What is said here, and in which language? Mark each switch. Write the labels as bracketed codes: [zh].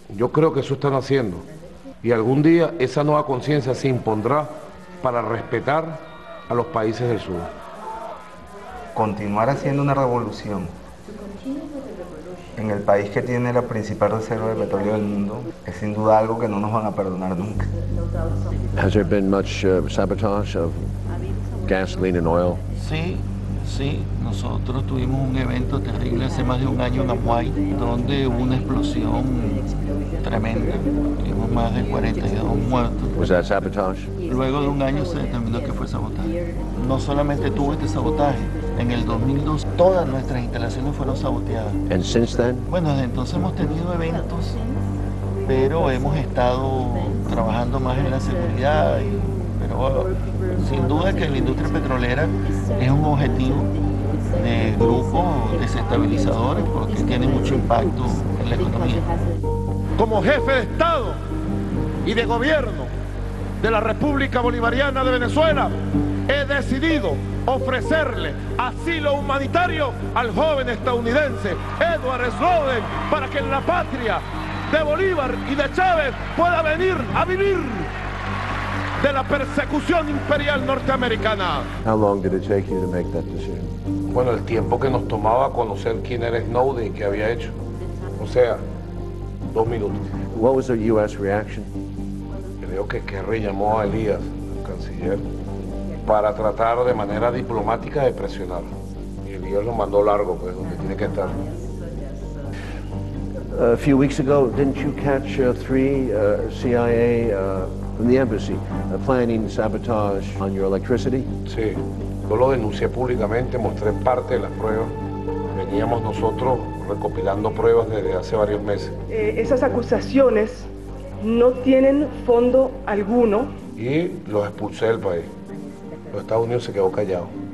[es] Yo creo que eso están haciendo. Y algún día esa nueva conciencia se impondrá para respetar a los países del sur. Continuar haciendo una revolución en el país que tiene la principal reserva de petróleo del mundo es sin duda algo que no nos van a perdonar nunca. [en] Has there been much sabotage of gasoline and oil? [es] Sí, sí. Nosotros tuvimos un evento terrible hace más de un año en Amuay, donde hubo una explosión tremenda. Tuvimos más de 42 muertos. [en] Was that sabotage? [es] Luego de un año se determinó que fue sabotaje. No solamente tuvo este sabotaje. En el 2002 todas nuestras instalaciones fueron saboteadas. [en] And since then? [es] Bueno, desde entonces hemos tenido eventos, pero hemos estado trabajando más en la seguridad. Pero sin duda que la industria petrolera es un objetivo de grupos desestabilizadores porque tiene mucho impacto en la economía. Como jefe de Estado y de gobierno de la República Bolivariana de Venezuela, he decidido ofrecerle asilo humanitario al joven estadounidense Edward Snowden para que en la patria de Bolívar y de Chávez pueda venir a vivir de la persecución imperial norteamericana. [en] How long did it take you to make that decision? [es] Bueno, el tiempo que nos tomaba conocer quién era Snowden y qué había hecho. O sea, dos minutos. [en] What was the U.S. reaction? [es] Creo que Kerry llamó a Elías, el canciller, para tratar de manera diplomática de presionar. Y Dios lo mandó largo, pues, donde tiene que estar. [en] A few weeks ago, didn't you catch three CIA from the embassy planning sabotage on your electricity? [es] Sí, yo lo denuncié públicamente, mostré parte de las pruebas. Veníamos nosotros recopilando pruebas desde hace varios meses. Esas acusaciones no tienen fondo alguno. Y los expulsé del país. Los Estados Unidos se quedó callado.